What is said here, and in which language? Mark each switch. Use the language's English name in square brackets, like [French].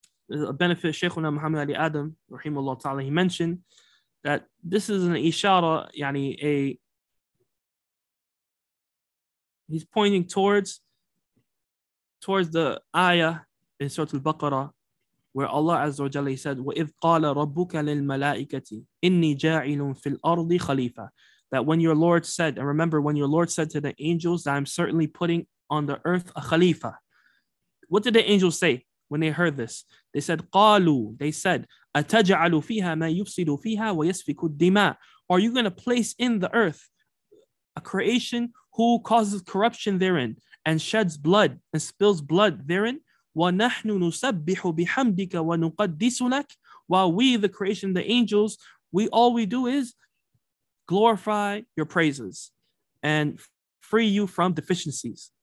[English] A benefit, Shaykhuna Muhammad Ali Adam, rahimahullah ta'ala, he mentioned that this is an ishara, yani a, he's pointing towards the ayah in Surah Al-Baqarah, where Allah Azza wa Jalla said, [Arabic] وَإِذْ قَالَ رَبُّكَ لِلْمَلَائِكَةِ إِنِّي جَاعِلٌ فِي الْأَرْضِ خَلِيفَةً. [English] That when your Lord said, and remember, when your Lord said to the angels that I'm certainly putting on the earth a khalifa. What did the angels say when they heard this? They said, [Arabic] قَالُوا, [English] they said, [Arabic] أَتَجْعَلُ فِيهَا مَا يُفْسِدُ فِيهَا وَيَسْفِكُ الدِّمَاءِ. [English] Are you going to place in the earth a creation who causes corruption therein and sheds blood and spills blood therein? [Arabic] وَنَحْنُ نُسَبِّحُ بِحَمْدِكَ وَنُقَدِّسُ لَكَ. [English] While we, the creation, the angels, we all we do is glorify your praises and free you from deficiencies.